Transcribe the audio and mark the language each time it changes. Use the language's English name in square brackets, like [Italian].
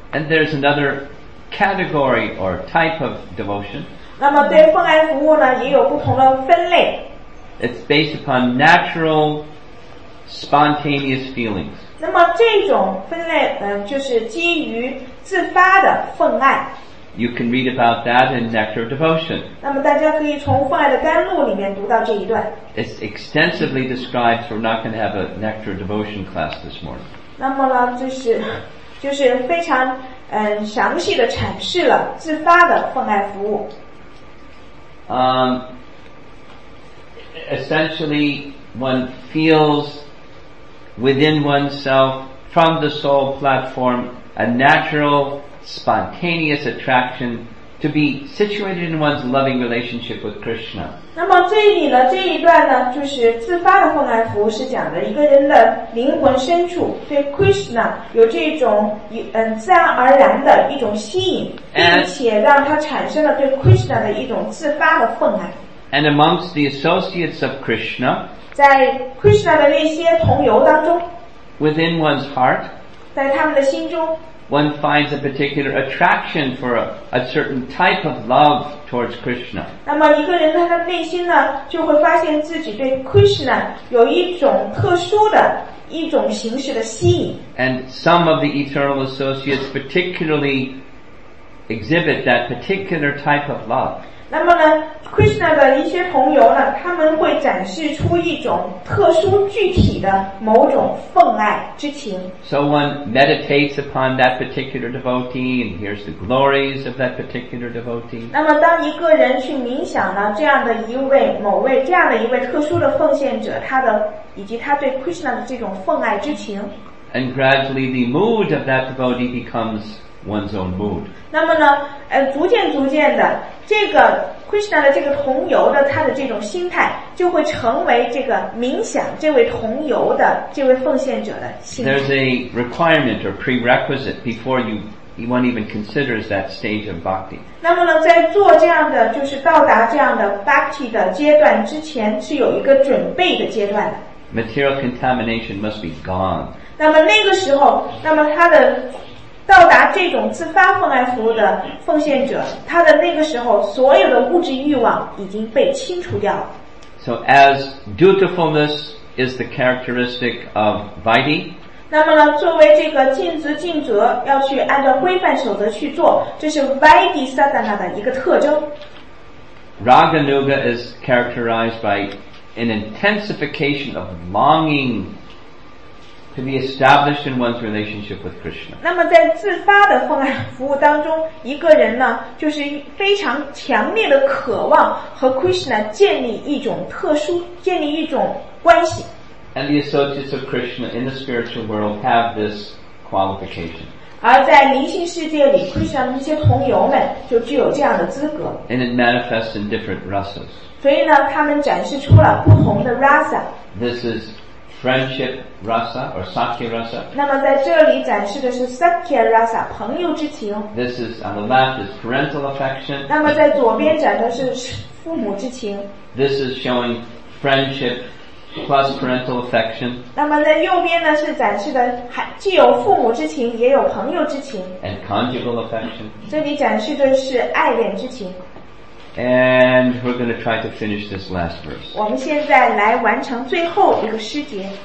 [English] And there's another category or type of devotion。 [Chinese] 那么对奉爱服务呢也有不同的分类。 [English] It's based upon natural。 Spontaneous feelings. [Chinese] 那么这种分类，就是基于自发的奉爱。 [English] You can read about that in Nectar of Devotion. [Chinese] 那么大家可以从奉爱的甘露里面读到这一段。 [English] It's extensively described, so we're not going to have a Nectar of Devotion class this morning. [Chinese] 那么呢，就是非常详细的阐释了自发的奉爱服务。 [English] Essentially, one feels. Within oneself, from the soul platform, a natural, spontaneous attraction to be situated in one's loving relationship with Krishna. [Chinese] 那么这里呢，这一段呢，就是自发的奉爱服务，是讲的一个人的灵魂深处对 Krishna 有这种自然而然的一种吸引，并且让他产生了对 Krishna 的一种自发的奉爱。 [English] And amongst the associates of Krishna. [Chinese] 在 Krishna 的那些同游当中 [English] ，within one's heart， [Chinese] 在他们的心中 [English] ，one finds a particular attraction for a certain type of love towards Krishna。 [Chinese] 那么一个人他的内心呢，就会发现自己对 Krishna 有一种特殊的一种形式的吸引。 [English] And some of the eternal associates particularly exhibit that particular type of love。 [Chinese] 那么呢 ，Krishna 的一些同游呢，他们会展示出一种特殊具体的某种奉爱之情。 [English] So one meditates upon that particular devotee and hears the glories of that particular devotee. [Chinese] 那么当一个人去冥想呢，这样的一位某位这样的一位特殊的奉献者，他的以及他对 Krishna 的这种奉爱之情。 [English] And gradually the mood of that devotee becomes. One's own mood. [Chinese] 那么呢，逐渐逐渐的，这个 Krishna 的这个同游的他的这种心态，就会成为这个冥想这位同游的这位奉献者的心态。 [English] There's a requirement or prerequisite before one even considers that stage of bhakti. [Chinese] 那么呢，在做这样的就是到达这样的 bhakti 的阶段之前，是有一个准备的阶段的。 [English] Material contamination must be gone. [Chinese] 那么那个时候，那么他的到达这种自发奉爱服务的奉献者，他的那个时候所有的物质欲望已经被清除掉了。 [English] So as dutifulness is the characteristic of Vaidhi, [Chinese] 那么呢，作为这个尽职尽责，要去按照规范守则去做，这是 Vaidhi Sadhana 的一个特征。 [English] Raganuga is characterized by an intensification of longing. To be established in one's relationship with Krishna. [Chinese] 那么在自发的奉爱服务当中，一个人呢，就是非常强烈的渴望和 Krishna 建立一种特殊，建立一种关系。 [English] And the associates of Krishna in the spiritual world have this qualification. [Chinese] 而在灵性世界里 ，Krishna 的一些同游们就具有这样的资格。 [English] And it manifests in different rasas. [Chinese] 所以呢，他们展示出了不同的 rasa. [English] This is. Friendship rasa or sakya rasa. [Chinese] 那么在这里展示的是 sakya rasa, 朋友之情。 [English] This is on the left is parental affection. [Chinese] 那么在左边展的是父母之情。 [English] This is showing friendship plus parental affection. [Chinese] 那么在右边呢是展示的还既有父母之情也有朋友之情。 [English] And conjugal affection. [Chinese] 这里展示的是爱恋之情。 [English] And we're going to try to finish this last verse. [Chinese] 我们现在来完成最后一个诗节。